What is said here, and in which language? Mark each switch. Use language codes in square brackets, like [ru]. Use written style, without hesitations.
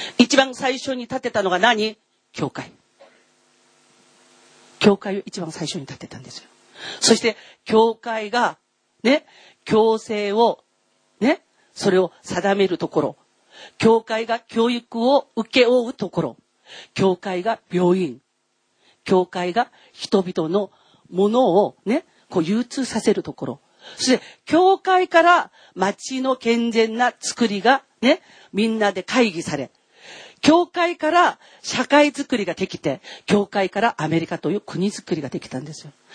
[ja] ここで皆さん覚えてください。彼らはそうやって駆けずり回っていったんですよ。それで貧しくなっていきました。アメリカ、メイフラワーに乗った人々が一番最初にアメリカに着いた時に、アメリカの土地にイエス様の皆によってひれ伏して、そして礼拝を捧げました。一番最初に建てたのが何？教会。 [ko] 교회를 가장 최초에 짓게 됐는데요. 그리고 교회가 [ja] ね、教制を、ね、それを定めるところ、教会が教育を受け負うところ、教会が病院、教会が人々のものを、ね、こう流通させるところ、そして教会から町の健全な作りが、ね、みんなで会議され、教会から社会づくりができて、教会からアメリカという国づくりができたんですよ。